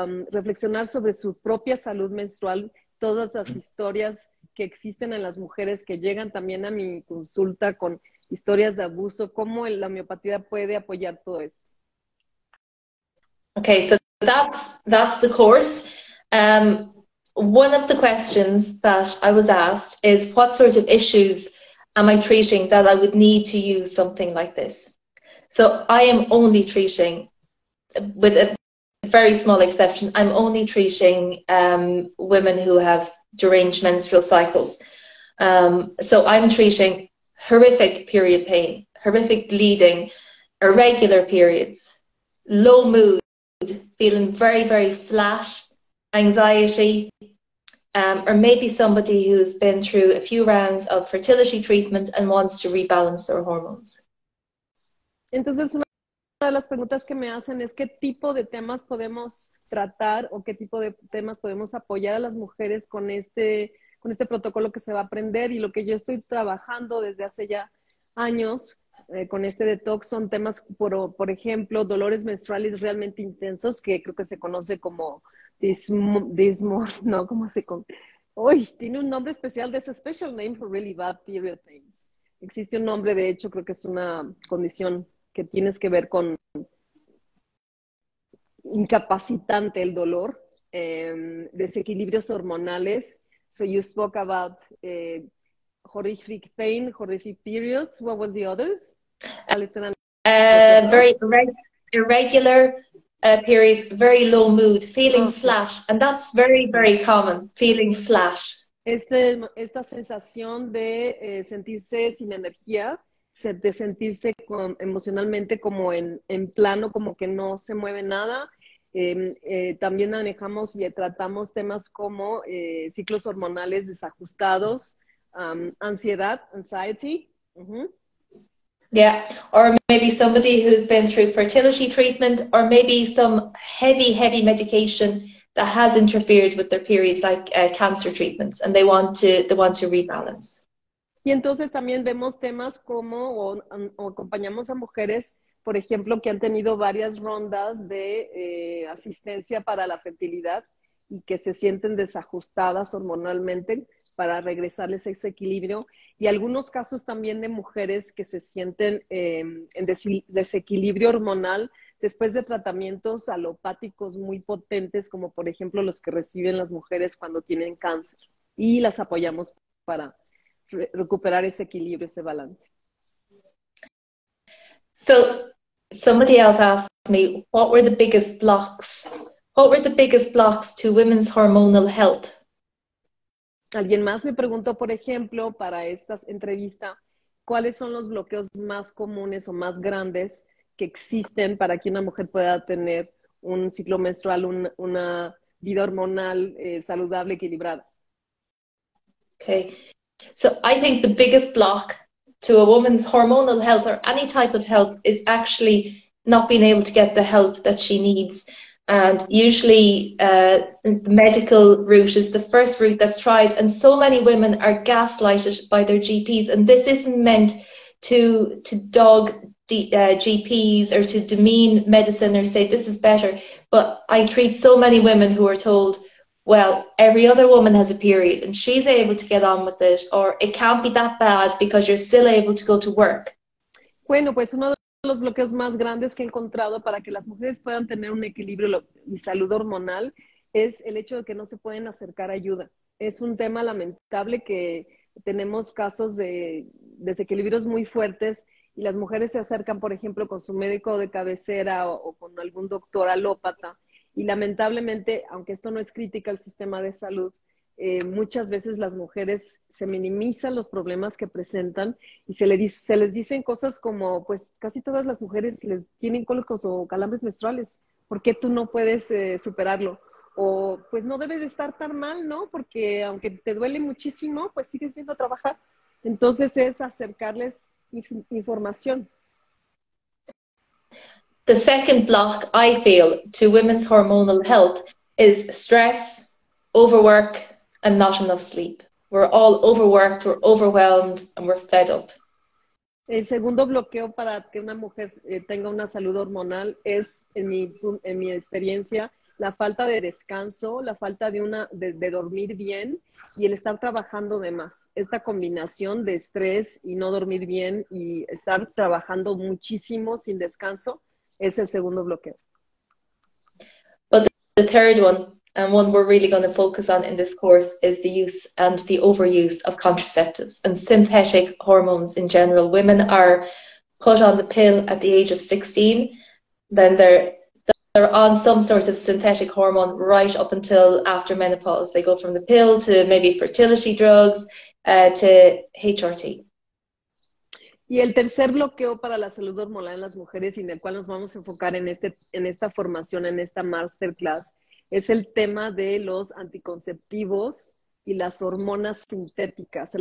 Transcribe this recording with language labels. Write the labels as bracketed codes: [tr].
[es] reflexionar sobre su propia salud menstrual, todas las historias que existen en las mujeres que llegan también a mi consulta con historias de abuso, cómo la homeopatía puede apoyar todo esto. [en] Okay, so that's the course. One of the questions that I was asked is, what sort of issues am I treating that I would need to use something like this? So I am only treating, with a very small exception, I'm only treating women who have deranged menstrual cycles. So I'm treating horrific period pain, horrific bleeding, irregular periods, low mood, feeling very, very flat, anxiety, or maybe somebody who's been through a few rounds of fertility treatment and wants to rebalance their hormones. [es] Entonces, una de las preguntas que me hacen es qué tipo de temas podemos tratar o qué tipo de temas podemos apoyar a las mujeres con este protocolo que se va a aprender, y lo que yo estoy trabajando desde hace ya años con este detox son temas, por ejemplo, dolores menstruales realmente intensos, que creo que se conoce como ¿no? ¿Cómo se conoce? ¡Uy! Tiene un nombre especial, [en] there's a special name for really bad period pains. [es] Existe un nombre, de hecho, creo que es una condición que tienes que ver con incapacitante el dolor, desequilibrios hormonales. [en] So you spoke about horrific pain, horrific periods. What was the others? Very irregular periods, very low mood, feeling flat. And that's very, very common, feeling flat. [es] Esta sensación de sentirse sin energía, de sentirse emocionalmente como en plano, como que no se mueve nada. También manejamos y tratamos temas como ciclos hormonales desajustados, ansiedad, anxiety. Uh-huh. [en] Yeah, or maybe somebody who's been through fertility treatment, or maybe some heavy, heavy medication that has interfered with their periods, like cancer treatments, and they want to rebalance. [es] Y entonces también vemos temas como, o acompañamos a mujeres, por ejemplo, que han tenido varias rondas de asistencia para la fertilidad y que se sienten desajustadas hormonalmente para regresarles ese equilibrio. Y algunos casos también de mujeres que se sienten en desequilibrio hormonal después de tratamientos alopáticos muy potentes, como por ejemplo los que reciben las mujeres cuando tienen cáncer. Y las apoyamos para re recuperar ese equilibrio, ese balance. [en] So somebody else asked me, what were the biggest blocks? What were the biggest blocks to women's hormonal health? [es] Alguien más me preguntó, por ejemplo, para esta entrevista, ¿cuáles son los bloqueos más comunes o más grandes que existen para que una mujer pueda tener un ciclo menstrual, una vida hormonal saludable, equilibrada? [en] Okay. So I think the biggest block to a woman's hormonal health or any type of health is actually not being able to get the help that she needs. And usually the medical route is the first route that's tried. And so many women are gaslighted by their GPs. And this isn't meant to dog GPs or to demean medicine or say this is better. But I treat so many women who are told, well, every other woman has a period and she's able to get on with it, or it can't be that bad because you're still able to go to work. [es] Bueno, pues uno de los bloqueos más grandes que he encontrado para que las mujeres puedan tener un equilibrio y salud hormonal es el hecho de que no se pueden acercar a ayuda. Es un tema lamentable que tenemos casos de desequilibrios muy fuertes y las mujeres se acercan, por ejemplo, con su médico de cabecera o con algún doctor alópata y lamentablemente, aunque esto no es crítica al sistema de salud, muchas veces las mujeres se minimizan los problemas que presentan y se les dicen cosas como, pues casi todas las mujeres les tienen cólicos o calambres menstruales, ¿por qué tú no puedes superarlo? O pues no debes de estar tan mal, ¿no? Porque aunque te duele muchísimo, pues sigues yendo a trabajar. Entonces es acercarles información. [en] The second block I feel to women's hormonal health is stress, overwork, and not enough sleep. We're all overworked, we're overwhelmed, and we're fed up. [es] El segundo bloqueo para que una mujer tenga una salud hormonal es, en mi experiencia, la falta de descanso, la falta de dormir bien y el estar trabajando de más. Esta combinación de estrés y no dormir bien y estar trabajando muchísimo sin descanso es el segundo bloqueo. [en] The third one, and one we're really going to focus on in this course, is the use and the overuse of contraceptives and synthetic hormones in general. Women are put on the pill at the age of 16, then they're on some sort of synthetic hormone right up until after menopause. They go from the pill to maybe fertility drugs, to HRT. [es] Y el tercer bloqueo para la salud hormonal en las mujeres y en el cual nos vamos a enfocar en esta formación, en esta masterclass, es el tema de los anticonceptivos y las hormonas sintéticas.